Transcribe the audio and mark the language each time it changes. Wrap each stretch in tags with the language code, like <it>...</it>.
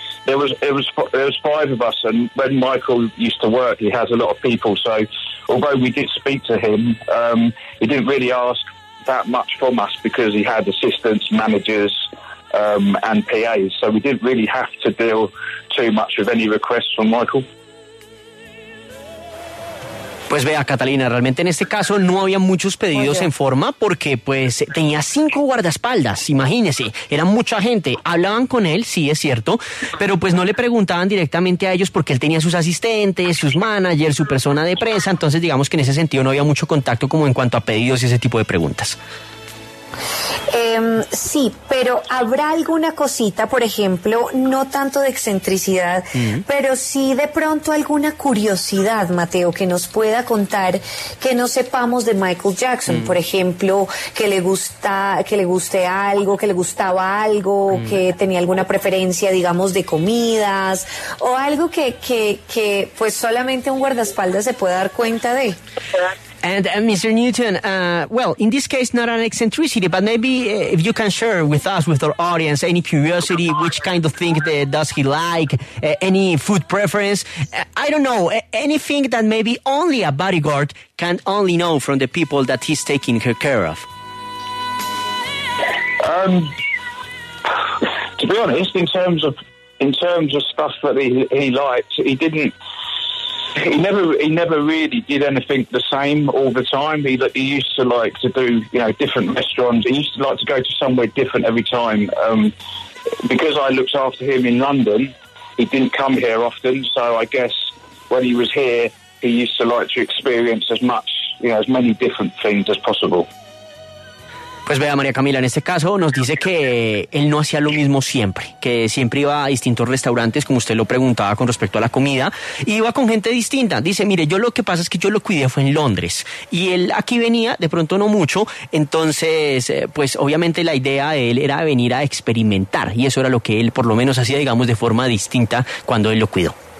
<en>There was five of us, and when Michael used to work, he has a lot of people. So although we did speak to him, he didn't really ask that much from us because he had assistants, managers, and PAs. So we didn't really have to deal too much with any requests from Michael.</en> <es>Pues vea, Catalina, realmente en este caso no había muchos pedidos en forma porque pues tenía cinco guardaespaldas, imagínese, era mucha gente. Hablaban con él, sí, es cierto, pero pues no le preguntaban directamente a ellos porque él tenía sus asistentes, sus managers, su persona de prensa, entonces digamos que en ese sentido no había mucho contacto como en cuanto a pedidos y ese tipo de preguntas. Sí, pero habrá alguna cosita, por ejemplo, no tanto de excentricidad, pero sí de pronto alguna curiosidad, Mateo, que nos pueda contar que no sepamos de Michael Jackson, por ejemplo, que le gustaba algo, que tenía alguna preferencia, digamos, de comidas o algo que pues solamente un guardaespaldas se pueda dar cuenta de.</es> <en>And Mr. Newton, well, in this case, not an eccentricity, but maybe if you can share with us, with our audience, any curiosity, which kind of thing does he like, any food preference? I don't know, anything that maybe only a bodyguard can only know from the people that he's taking care of. To be honest, in terms of stuff that he liked, He never really did anything the same all the time. He used to like to do, you know, different restaurants. He used to like to go to somewhere different every time. Because I looked after him in London, he didn't come here often. So I guess when he was here, he used to like to experience as much, you know, as many different things as possible.</en> <es>Pues vea, María Camila, en este caso nos dice que él no hacía lo mismo siempre, que siempre iba a distintos restaurantes, como usted lo preguntaba con respecto a la comida, y iba con gente distinta. Dice, mire, yo lo que pasa es que yo lo cuidé fue en Londres, y él aquí venía, de pronto no mucho, entonces, pues obviamente la idea de él era venir a experimentar, y eso era lo que él por lo menos hacía, digamos, de forma distinta cuando él lo cuidó.</es>